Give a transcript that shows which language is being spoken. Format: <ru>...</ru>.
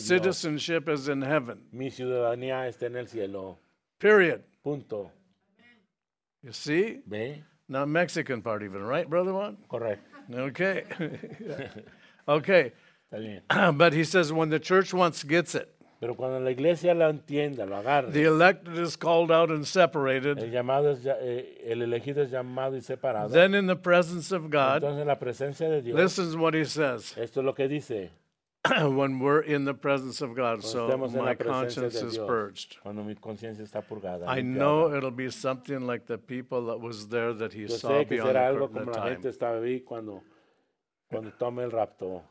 <en>citizenship</en> <es>Dios.</es> <en>Is in heaven.</en> <es>Mi ciudadanía está en el cielo.</es> <en>Period.</en> <es>Punto.</es> <en>You see?</en> <es>Ve.</es> <en>Not Mexican part even, right, Brother Juan? Correct. Okay. Okay. But he says, when the church once gets it,</en> <es>pero cuando la iglesia lo entienda, lo agarre,</es> <en>the elected is called out and separated,</en> <es>el llamado es, el elegido es llamado y separado,</es> <en>then in the presence of God,</en> <es>entonces en la presencia de Dios,</es> <en>listen to what he says.</en> <es>Esto es lo que dice,</es> <en>when we're in the presence of God, so my conscience</en> <es>de Dios,</es> <en>is purged.</en> <es>Cuando mi conciencia está purgada,</es> <en>I know it'll be something like the people that was there that he</en> <es>yo</es> <en>saw</en> <es>sé que</es> <en>beyond</en> <es>será algo</es> <en>the curtain</en> <es>como</es> <en>of</en> <es>la</es> <en>time.</en> <es>Gente estaba ahí cuando cuando tome el rapto.</es>